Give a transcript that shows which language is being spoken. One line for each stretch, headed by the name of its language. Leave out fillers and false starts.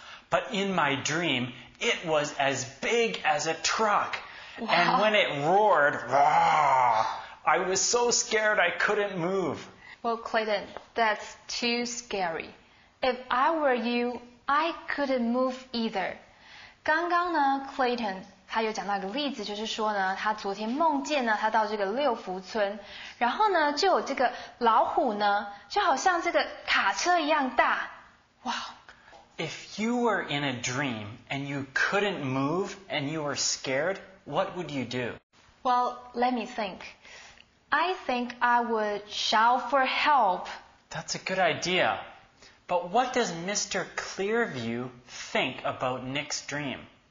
English: But in my dream, it was as big as a truck. Wow. And when it roared, rawr, I was so scared I couldn't move. Well, Clayton, that's too scary. If I were you, I couldn't move either.
Chinese: 刚刚呢 ，Clayton 他有讲到一个例子，就是说呢，他昨天梦见呢，他到这个六福村，然后呢，就有这个老虎呢，就好像这个卡车一样大。
English: Wow. If you were in a dream and you couldn't move and you were scared, what would you do? Well, let me think. I think I would shout for help. That's a good idea. But what does Mr. Clearview think about Nick's dream?